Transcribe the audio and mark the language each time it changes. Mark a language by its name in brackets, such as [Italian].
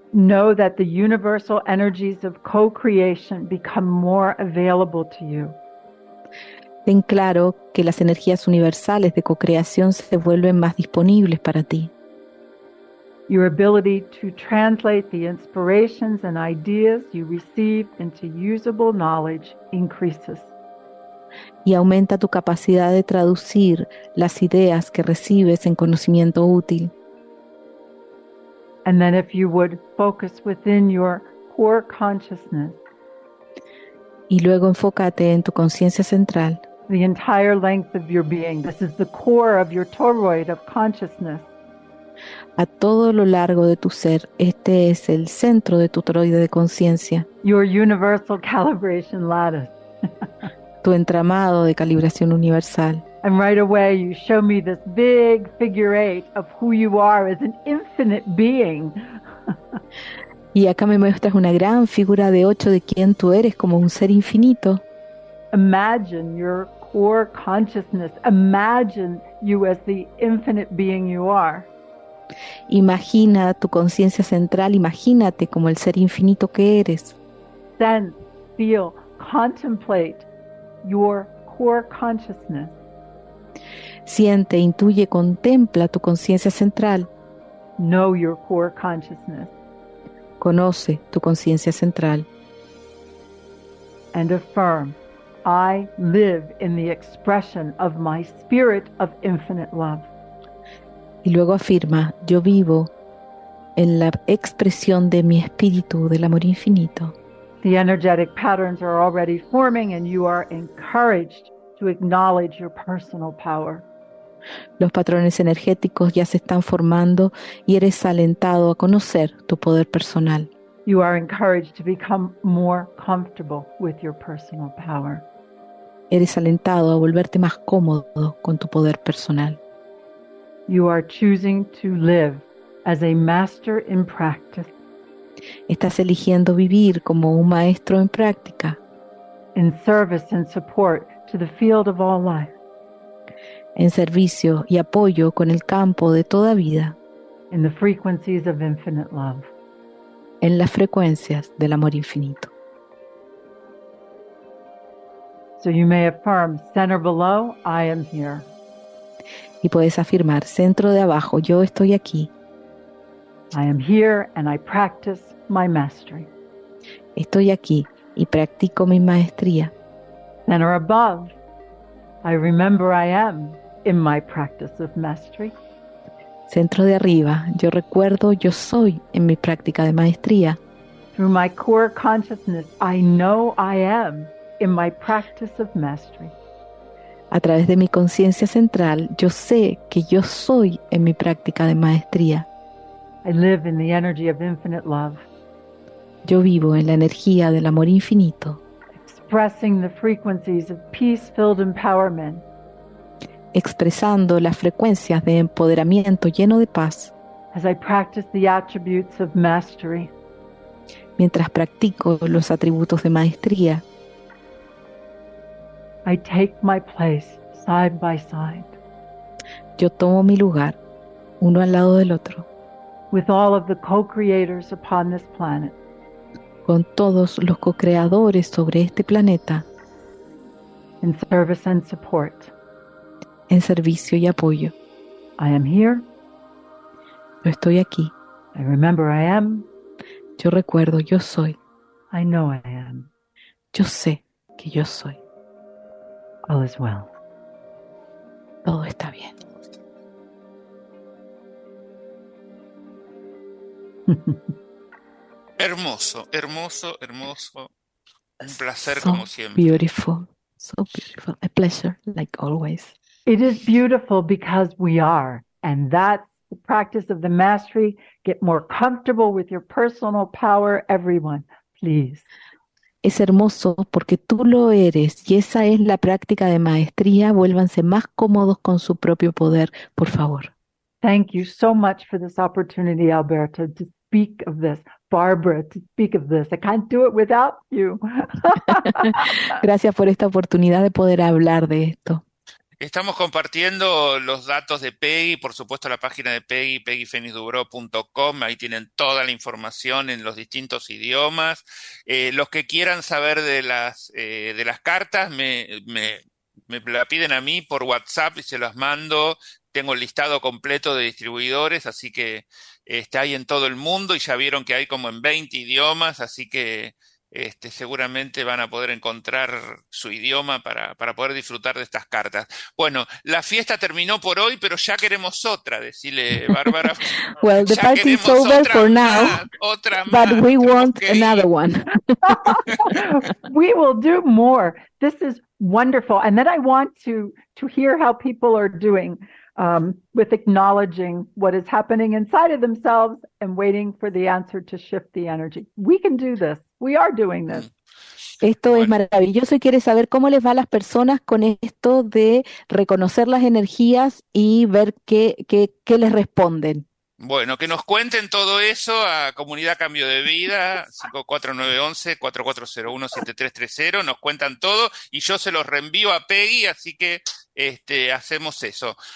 [English] Know that the universal energies of co-creation become more available to you. [Spanish] Ten claro que las energías universales de co-creación se vuelven más disponibles para ti. [English] Your ability to translate the inspirations and ideas you receive into usable knowledge increases. [Spanish] Y aumenta tu capacidad de traducir las ideas que recibes en conocimiento útil. [English] And then if you would focus within your core consciousness. [Spanish] Y luego enfócate en tu conciencia central. [English] The entire length of your being. This is the core of your toroid of consciousness. [Spanish] A todo lo largo de tu ser, este es el centro de tu toroide de conciencia. [English] Your universal calibration lattice. [Spanish] Tu entramado de calibración universal. [English] And right away you show me this big figure eight of who you are as an infinite being. [Spanish] Y acá me muestras una gran figura de ocho de quién tú eres como un ser infinito. [English] Imagine your core consciousness. Imagine you as the infinite being you are. [Spanish] Imagina tu conciencia central, imagínate como el ser infinito que eres. [English] Sense, feel, contemplate your core consciousness. [Spanish] Siente, intuye, contempla tu conciencia central. [English] Know your core consciousness. [Spanish] Conoce tu conciencia central. [English] And affirm, I live in the expression of my spirit of infinite love. [Spanish] Y luego afirma, yo vivo en la expresión de mi espíritu del amor infinito. [English] The energetic patterns are already forming and you are encouraged to acknowledge your personal power. [Spanish] Los patrones energéticos ya se están formando y eres alentado a conocer tu poder personal. [English] You are encouraged to become more comfortable with your personal power. [Spanish] Eres alentado a volverte más cómodo con tu poder personal. [English] You are choosing to live as a master in practice. [Spanish] Estás eligiendo vivir como un maestro en práctica. [English] In service and support to the field of all life. [Spanish] En servicio y apoyo con el campo de toda vida. [English] In the frequencies of infinite love. [Spanish] En las frecuencias del amor infinito. [English] So you may affirm, center below, I am here. [Spanish] Y puedes afirmar, centro de abajo, yo estoy aquí. [English] I am here and I practice my mastery. [Spanish] Estoy aquí y practico mi maestría. [English] Center above, I remember I am in my practice of mastery. [Spanish] Centro de arriba, yo recuerdo, yo soy en mi práctica de maestría. [English] Through my core consciousness, I know I am in my practice of mastery. [Spanish] A través de mi conciencia central, yo sé que yo soy en mi práctica de maestría. [English] I live in the energy of infinite love. [Spanish] Yo vivo en la energía del amor infinito. [English] Expressing the frequencies of peace-filled empowerment. [Spanish] Expresando las frecuencias de empoderamiento lleno de paz. [English] As I practice the attributes of mastery. [Spanish] Mientras practico los atributos de maestría. [English] I take my place side by side. [Spanish] Yo tomo mi lugar, uno al lado del otro. [English] With all of the co-creators upon this planet. [Spanish] Con todos los co-creadores sobre este planeta. [English] In service and support. [Spanish] En servicio y apoyo. [English] I am here. [Spanish] Yo estoy aquí. [English] I remember I am. [Spanish] Yo recuerdo, yo soy. [English] I know I am. [Spanish] Yo sé que yo soy. [English] All is well. [Spanish] Todo está bien. Hermoso, hermoso, hermoso. Un placer so como siempre. [English] Beautiful. So beautiful. A pleasure, like always. It is beautiful because we are. And that's the practice of the mastery. Get more comfortable with your personal power, everyone. Please. [Spanish] Es hermoso porque tú lo eres. Y esa es la práctica de maestría. Vuélvanse más cómodos con su propio poder, por favor. [English] Thank you so much for this opportunity, Alberto, to speak of this. Barbara, to speak of this. I can't do it without you. [Spanish] Gracias por esta oportunidad de poder hablar de esto. Estamos compartiendo los datos de Peggy, por supuesto la página de Peggy, peggyfenixdubrow.com, ahí tienen toda la información en los distintos idiomas. Los que quieran saber de las cartas, me la piden a mí por WhatsApp y se las mando. Tengo el listado completo de distribuidores, así que está ahí en todo el mundo y ya vieron que hay como en 20 idiomas, así que seguramente van a poder encontrar su idioma para poder disfrutar de estas cartas. Bueno, la fiesta terminó por hoy, pero ya queremos otra, decirle Bárbara. [English] Well, the party is over for now, but we want another one. We will do more. This is wonderful. And then I want to hear how people are doing with acknowledging what is happening inside of themselves and waiting for the answer to shift the energy. We can do this. We are doing this. [Spanish] Esto es maravilloso y quiere saber cómo les va a las personas con esto de reconocer las energías y ver qué les responden. Bueno, que nos cuenten todo eso a Comunidad Cambio de Vida, 54911-4401-7330, nos cuentan todo y yo se los reenvío a Peggy, así que hacemos eso.